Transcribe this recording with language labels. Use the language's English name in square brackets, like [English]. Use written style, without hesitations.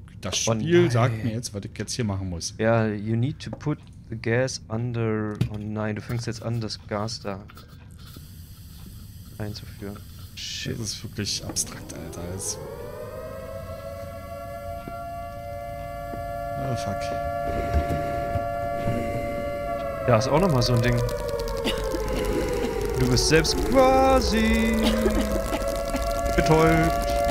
[German] Das Spiel sagt mir jetzt, was ich jetzt hier machen muss. [English] Ja, yeah, you need to put the gas under... [German] Oh nein, du fängst jetzt an, das Gas da einzuführen. Shit. Das ist wirklich abstrakt, Alter. Das... [English] Oh, fuck. [German] Da ist auch nochmal so ein Ding. Du bist selbst quasi betäubt.